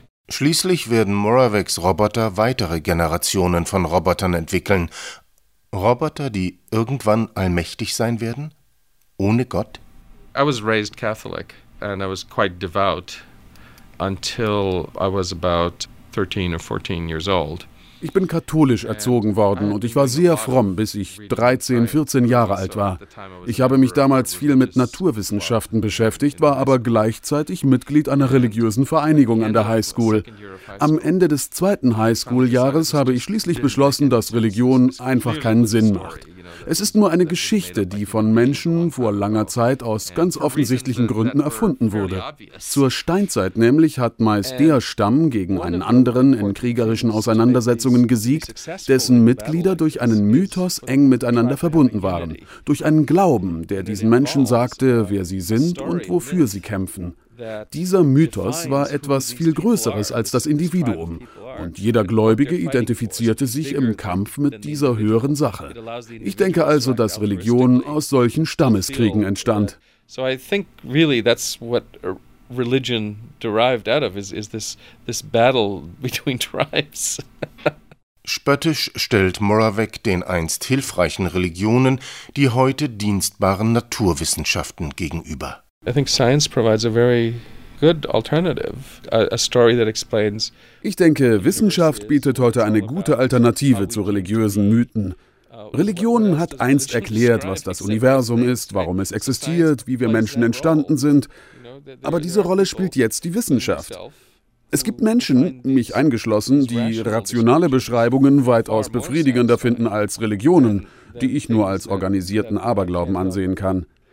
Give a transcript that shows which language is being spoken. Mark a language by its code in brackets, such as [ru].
[de] Schließlich werden Moravecs Roboter weitere Generationen von Robotern entwickeln. Roboter, die irgendwann allmächtig sein werden? Ohne Gott? [en] I was raised Catholic and I was quite devout until I was about 13 or 14 years old. [de] Ich bin katholisch erzogen worden und ich war sehr fromm, bis ich 13, 14 Jahre alt war. Ich habe mich damals viel mit Naturwissenschaften beschäftigt, war aber gleichzeitig Mitglied einer religiösen Vereinigung an der Highschool. Am Ende des zweiten Highschool-Jahres habe ich schließlich beschlossen, dass Religion einfach keinen Sinn macht. Es ist nur eine Geschichte, die von Menschen vor langer Zeit aus ganz offensichtlichen Gründen erfunden wurde. Zur Steinzeit nämlich hat meist der Stamm gegen einen anderen in kriegerischen Auseinandersetzungen gesiegt, dessen Mitglieder durch einen Mythos eng miteinander verbunden waren, durch einen Glauben, der diesen Menschen sagte, wer sie sind und wofür sie kämpfen. Dieser Mythos war etwas viel Größeres als das Individuum. Und jeder Gläubige identifizierte sich im Kampf mit dieser höheren Sache. Ich denke also, dass Religion aus solchen Stammeskriegen entstand. [en] So I think really that's what religion derived out of is this battle between tribes. [de] Spöttisch stellt Moravec den einst hilfreichen Religionen die heute dienstbaren Naturwissenschaften gegenüber. [en] I think science provides a very good alternative, a story that explains. [de] Ich denke, Wissenschaft bietet heute eine gute Alternative zu religiösen Mythen. Religion hat einst erklärt, was das Universum ist, warum es existiert, wie wir Menschen entstanden sind. Aber diese Rolle spielt jetzt die Wissenschaft. Es gibt Menschen, mich eingeschlossen, die rationale Beschreibungen weitaus befriedigender finden als Religionen, die ich nur als organisierten Aberglauben ansehen kann.